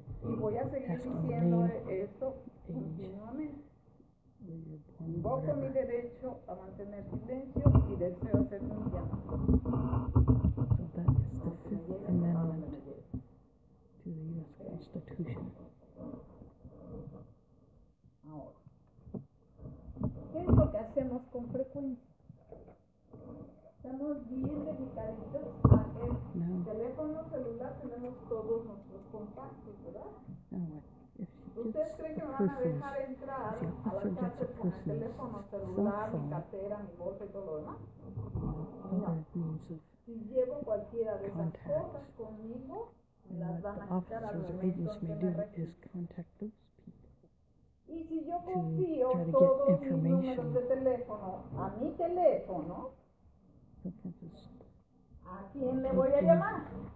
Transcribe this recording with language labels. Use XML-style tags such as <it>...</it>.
<es>Y voy a seguir diciendo esto continuamente. Invoco mi derecho a mantener silencio y deseo hacer mi llamada.</es> <en>So that is the fifth amendment to the US Constitution.</en> <es>Ahora, ¿qué es lo que hacemos con frecuencia? Estamos bien dedicaditos a el teléfono celular, tenemos todos nuestros contactos, ¿verdad? No, bueno. ¿Ustedes creen que van a dejar entrar a la cárcel con el teléfono celular, mi cartera, mi bolsa y todo lo demás? No. Si llevo cualquiera de</es> <en>contacts,</en> <es>esas cosas conmigo,</es> <en>and</en> <es>las van a echar a la cárcel.</es> <en>What the officers may do is contact those people.</en> <es>Y si yo confío todos mis números de teléfono a mi teléfono, ¿a quién le voy a llamar?</es>